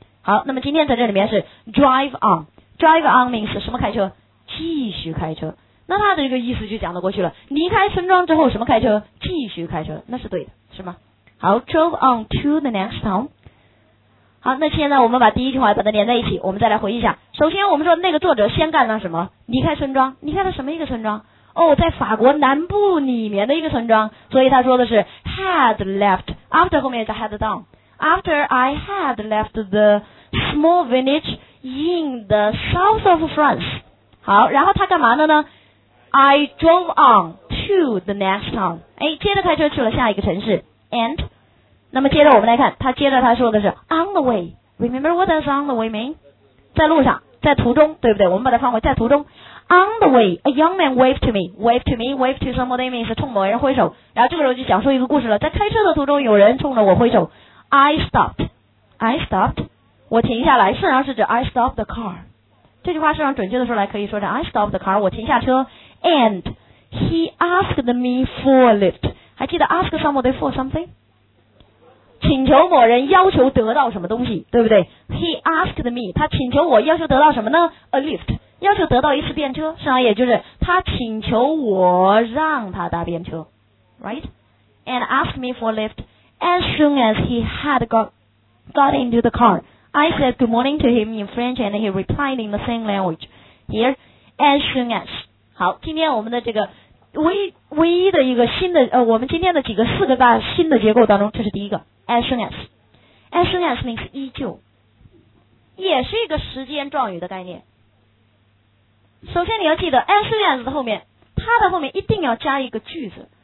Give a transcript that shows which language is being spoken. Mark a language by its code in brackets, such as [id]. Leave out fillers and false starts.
[zh] 好，那么今天在这里面是 drive on， drive on means 什么？开车，继续开车，那他的这个意思就讲得过去了，离开村庄之后什么？开车，继续开车，那是对的，是吗？ [en] 好， drove on to the next town。 [zh] 好，那现在我们把第一句话把它连在一起，我们再来回忆一下。首先我们说那个作者先干了什么？离开村庄，离开了什么一个村庄？ [en] 哦，在法国南部里面的一个村庄，所以他说的是 had left， after 后面是 had down， after I had left the small village in the south of France。 [zh] 好，然后他干嘛的呢？ [en] I drove on to the next town，哎，接着开车去了下一个城市， and 那么接着我们来看，他接着他说的是 on the way， remember what does on the way mean？ [zh] 在路上，在途中，对不对？我们把它放回在途中。 [en] On the way, a young man waved to me. Wave to me, wave to somebody means 冲某人挥手。 [zh] 然后这个时候就讲述一个故事了，在开车的途中有人冲着我挥手。 [en] I stopped, 我停下来，事实上是指 I stopped the car。 [zh] 这句话事实上准确的说来可以说是 I stopped the car, 我停下车。 [en] And he asked me for a lift, 还记得 ask somebody for something? [zh] 请求某人要求得到什么东西，对不对？ He asked me, 他请求我要求得到什么呢？ A lift, 要求得到一次便车，实际上也就是他请求我让他搭便车， right? [en] And asked me for a lift. As soon as he had got into the car, I said good morning to him in French and he replied in the same language. Here, as soon as. [zh] 好，今天我们的这个唯一的一个新的我们今天的几个四个大新的结构当中，这是第一个 as soon as. As soon as means 依旧，也是一个时间状语的概念。首先你要记得 as soon as 的后面，它的后面一定要加一个句子，